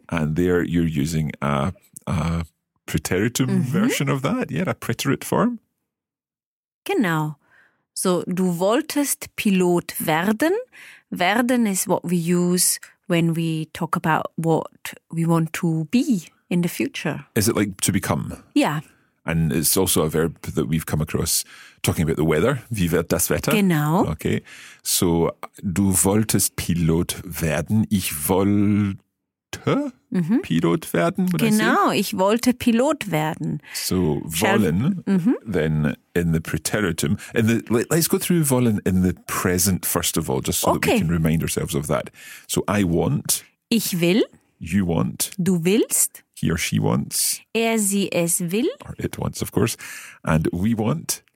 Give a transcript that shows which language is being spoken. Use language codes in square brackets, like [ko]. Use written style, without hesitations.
[en] and there you're using a preteritum mm-hmm. version of that, yeah, a preterite form. [de] Genau. So du wolltest Pilot werden. [en] Werden is what we use when we talk about what we want to be. In the future. Is it like to become? Yeah. And it's also a verb that we've come across talking about the weather. [de] Wie wird das Wetter? Genau. [en] Okay. [de] So, du wolltest Pilot werden. Ich wollte mm-hmm. Pilot werden. Genau. Ich wollte Pilot werden. [en] So, wollen, mm-hmm. then in the preteritum. In the, let's go through wollen in the present, first of all, just so okay. that we can remind ourselves of that. So, I want. [de] Ich will. [en] You want. [de] Du willst. [en] He or she wants. [de] Er, sie, es will. [en] Or it wants, of course. And we want.